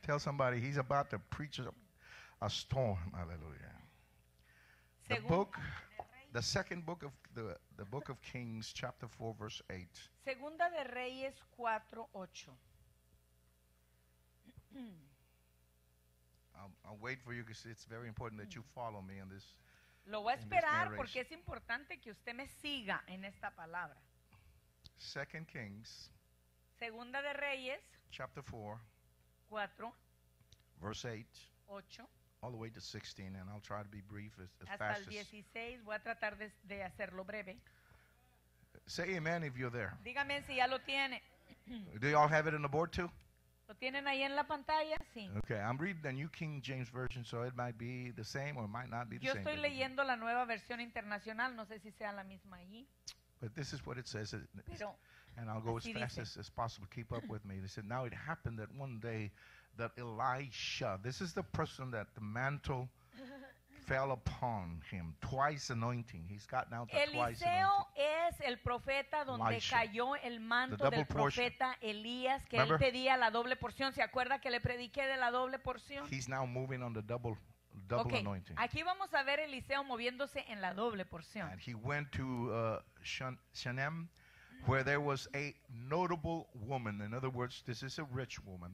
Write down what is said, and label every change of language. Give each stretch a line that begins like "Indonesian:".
English: Tell somebody he's about to preach a storm. Hallelujah. The second book of the book of Kings, chapter 4, verse 8.
Spanish: Segunda de Reyes 4:8.
English: I'll wait for you because it's very important that you follow me in this.
Spanish: Lo voy a esperar porque es importante que usted me siga en esta palabra.
English: Second Kings.
Spanish: Segunda de Reyes.
English: Chapter 4.
Spanish: 4.
English: Verse 8.
Spanish: 8.
English: All the way to 16, and I'll try to be brief as
Spanish: hasta
English: fast
Spanish: as. Hasta el 16, voy a tratar de hacerlo breve.
English: Say amen if you're there.
Spanish: Dígame si ya lo tiene.
English: Do you all have it on the board too?
Spanish: ¿Lo tienen ahí en la pantalla? Sí.
English: Okay, I'm reading the New King James Version, so it might be the same or might not be the
Spanish: yo
English: same.
Spanish: Yo estoy leyendo la nueva versión internacional, no sé si sea la misma ahí.
English: But this is what it says, and I'll go as fast as possible, keep up with me. They said, now it happened that one day that Elisha, this is the person that the mantle fell upon him, twice anointing. He's got now the
Spanish: Eliseo
English: twice anointing.
Spanish: Es el profeta donde Elisha, cayó el manto del profeta Elías, que remember? Él pedía la doble porción. ¿Se acuerda que le prediqué de la doble porción?
English: He's now moving on the double okay. anointing.
Spanish: Aquí vamos a ver Eliseo moviéndose en la doble porción.
English: And he went to Shunem, where there was a notable woman. In other words, this is a rich woman.